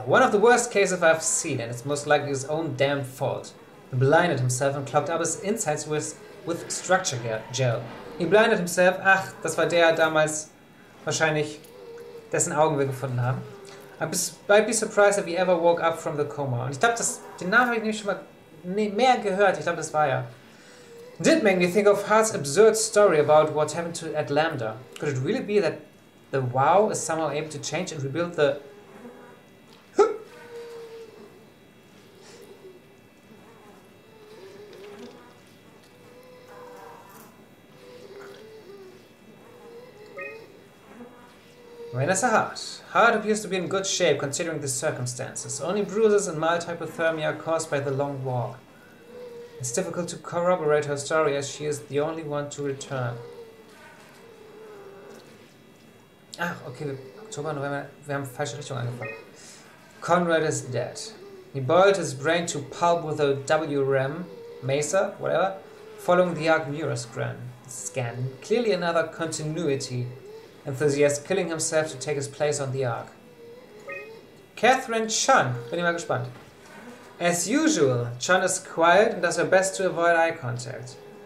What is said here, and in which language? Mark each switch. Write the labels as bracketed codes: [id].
[en] One of the worst cases I've seen, and it's most likely his own damn fault. He blinded himself and clogged up his insides with structure gel. He blinded himself, [de] ach, das war der damals, wahrscheinlich, dessen Augen wir gefunden haben. [en] I'd be surprised if he ever woke up from the coma. [de] Und ich glaube, den Namen habe ich nämlich schon mal mehr gehört, ich glaube, das war ja. [en] Did make me think of Hart's absurd story about what happened to at Lambda. Could it really be that the WoW is somehow able to change and rebuild the... Vanessa Hart. Hart appears to be in good shape considering the circumstances. Only bruises and mild hypothermia are caused by the long walk. It's difficult to corroborate her story as she is the only one to return. [de] Ach, okay, Oktober, November, wir haben falsche Richtung angefangen. [en] Conrad is dead. He boiled his brain to pulp with a WRAM, Mesa, whatever, following the Arc Neuroscan. Clearly another continuity enthusiast killing himself to take his place on the Arc. Catherine Chun, [de] bin ich mal gespannt. [en] As usual, Chun is quiet and does her best to avoid eye contact.